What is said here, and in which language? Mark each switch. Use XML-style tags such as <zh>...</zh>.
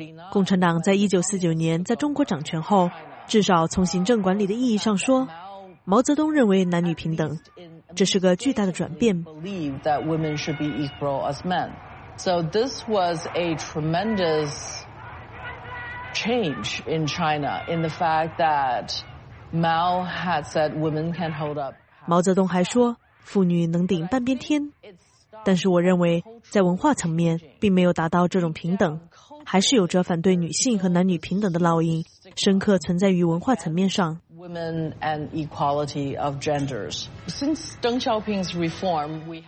<zh>共产党在1949年在中国掌权后，至少从行政管理的意义上说，毛泽东认为男女平等，这是个巨大的转变。</zh> <en>Believe that women should be equal as men. So this was a tremendous. Change in China in the fact that Mao had said women can hold up.</en> <zh>毛泽东还说妇女能顶半边天，但是我认为在文化层面并没有达到这种平等，还是有着反对女性和男女平等的烙印，深刻存在于文化层面上。</zh> <en>Women and equality of genders. Since Deng Xiaoping's reform,</en>